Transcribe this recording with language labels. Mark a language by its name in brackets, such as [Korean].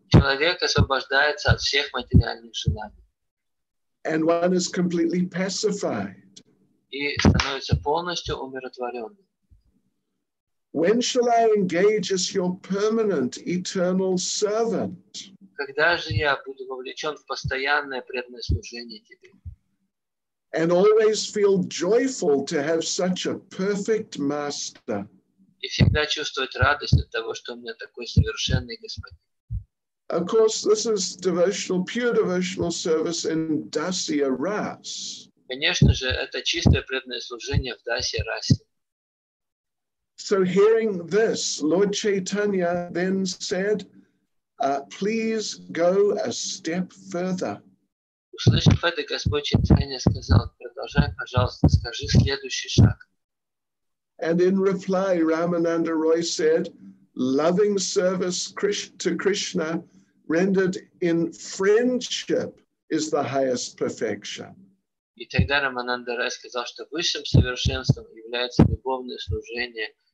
[Russian] Человек освобождается от всех материальных желаний. [English] And one is completely pacified. [Russian] И становится полностью умиротворенным. [English] When shall I engage as your permanent eternal servant? [Russian] Когда же я буду вовлечен в постоянное преданное служение тебе? [English] And always feel joyful to have such a perfect master. [Russian] И всегда чувствовать радость от того, что у меня такой совершенный господин. [English] Of course, this is devotional, pure devotional service in Dasya Ras. [Russian] Конечно же, это чистое преданное служение в Дасе Расе. [English] So hearing this, Lord Chaitanya then said, please go a step further. [Russian] Услышав это, Господь Чайтанья сказал, продолжай, пожалуйста, скажи следующий шаг. [English] And in reply, Рамананда Рой said, loving service to Krishna rendered in friendship is the highest perfection. [Russian] И тогда Рамананда Рой сказал, что высшим совершенством является любовное служение.